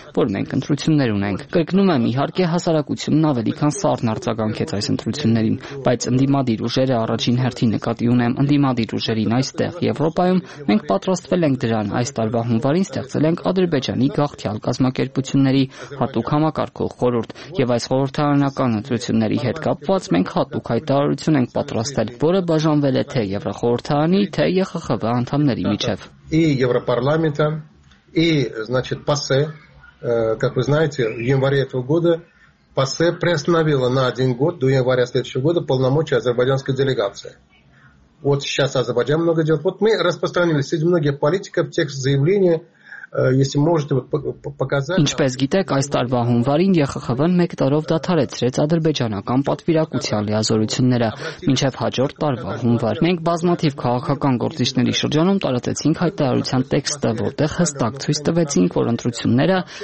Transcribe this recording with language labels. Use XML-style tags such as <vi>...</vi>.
<hy>որ մենք ընտրություններ ունենք։ Կրկնում եմ, իհարկե հասարակությունն ավելի քան սառն արձագանքեց այս ընտրություններին, բայց ընդդիմադիր ուժերը առաջին հերթին նկատի ունեմ ընդդիմադիր ուժերին այստեղ Եվրոպայում, մենք պատրաստվել ենք դրան, այս տարվա հունվարին ստեղծել ենք Ադրբեջանի գաղթյալ կազմակերպությունների հատուկ համակարգող խորհուրդ եւ այս խորհրդարանական ընտրությունների հետ կապված մենք հատուկ հայտարարություն ենք պատրաստել, որը բաժանվել է թե Եվրոխորհրդարանի, թե ԵԽԽՎ անդամների միջև։</hy> <ru>И Европарламента, и, значит, ПАСЕ, как вы знаете, в январе этого года ПАСЕ приостановила на один год до января следующего года полномочия азербайджанской делегации. Вот сейчас Азербайджан много делает. Вот мы распространили среди многих политиков текст заявления.</ru> <hy>Ինչպես գիտեք, այս տարվա հունվարին ԵԽԽՎ-ն մեկ տարով դադարեցրեց ադրբեջանական պատվիրակության լիազորությունները, մինչև հաջորդ տարվա հունվար։ Մենք բազմաթիվ քաղաքական գործիչների շրջանում տարածեցինք հայտարարության տեքստը, որտեղ հստակ ցույց տվեցինք, որ ընտրությունները</hy>